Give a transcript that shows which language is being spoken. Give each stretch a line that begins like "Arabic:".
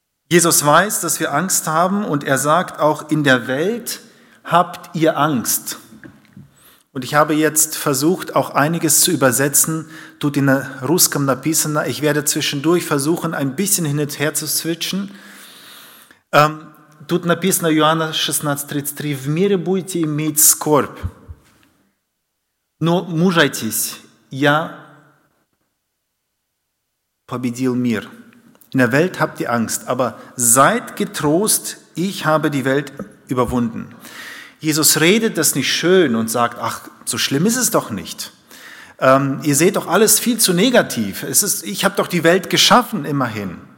German: Jesus weiß, dass wir Angst haben, und er sagt auch, in der Welt habt ihr Angst. Und ich habe jetzt versucht, auch einiges zu übersetzen.
Russian: Tut in Ruskam napisana.
German: Ich werde zwischendurch versuchen, ein bisschen hin und her zu switchen.
Russian: Тут написано Иоанна 16:33. В мире будете иметь скорбь, но мужайтесь, я победил мир.
German: In der Welt habt ihr Angst, aber seid getrost, ich habe die Welt überwunden. Jesus redet das nicht schön und sagt, ach, so schlimm ist es doch nicht. Ihr seht doch alles viel zu negativ. Ich habe doch die Welt geschaffen immerhin.